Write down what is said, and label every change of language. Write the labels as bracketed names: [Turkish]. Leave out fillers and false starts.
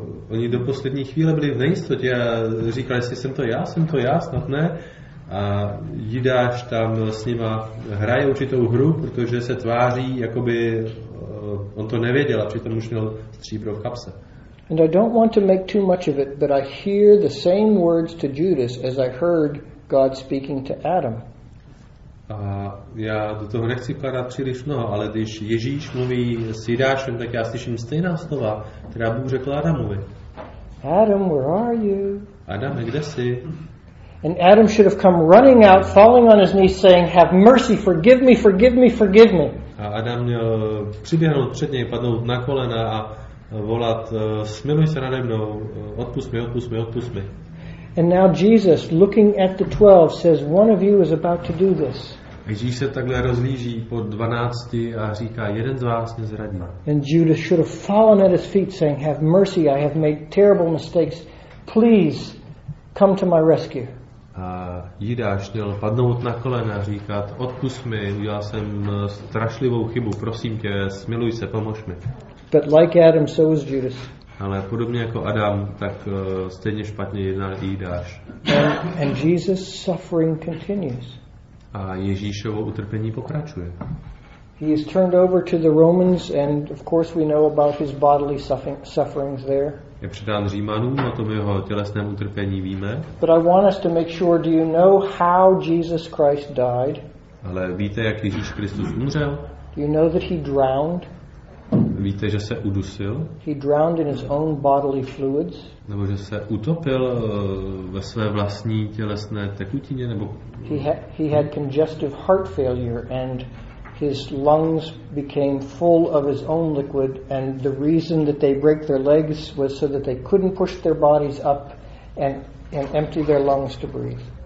[Czech] Oni do poslední chvíle byli v nejistotě a říkali, jestli jsem to já, snad ne. A Judáš tam s nima hraje určitou hru, protože se tváří, jakoby on to nevěděl a přitom už měl stříbro v kapse. [English] And I don't want to make too much of it, but I hear the same words to Judas as I heard God speaking to Adam. [Czech] A já do toho nechci kladat příliš mnoho, ale když Ježíš mluví s Judášem, tak já slyším stejná slova, která Bůh řekl Adamovi. [English] Adam, where are you? [Czech] Adame, kde jsi? [English] And Adam should have come running out, falling on his knees, saying, "Have mercy, forgive me, forgive me, forgive me." [Czech] A Adam měl přiběhnout před něj, padnout na kolena a volat, smiluj se nade mnou, odpust mi. [English] And now Jesus, looking at the 12, says, "One of you is about to do this." [Czech] Ježíš se takhle rozlíží po 12 a říká, jeden z vás mě zradí. [English] And Judas should have fallen at his feet, saying, "Have mercy, I have made terrible mistakes. Please come to my rescue." [Czech] A Judas měl padnout na kolena a říkat, odpust mi, udělal jsem strašlivou chybu, prosím tě, smiluj se, pomož mi. [English] But like Adam, so is Judas. [Czech] Ale podobně jako Adam, tak stejně špatně jednal i Judáš. [English] And Jesus suffering continues. [Czech] A Ježíšovo utrpení pokračuje. [English] He is turned over to the Romans and of course we know about his bodily sufferings there. [Czech] Je předán Římanům, o tom jeho tělesném utrpení víme. [English] But I want us to make sure, do you know how Jesus Christ died? [Czech] Ale víte, jak Ježíš Kristus umřel? [English] Do you know that he drowned? [Czech] víte, že se udusil? [English] He drowned in his own bodily fluids. [Czech] Nebo že se utopil ve své vlastní tělesné tekutině, nebo [English] he had congestive heart failure and his lungs became full of his own liquid, and the reason that they break their legs was so that they couldn't push their bodies up and empty their lungs to breathe.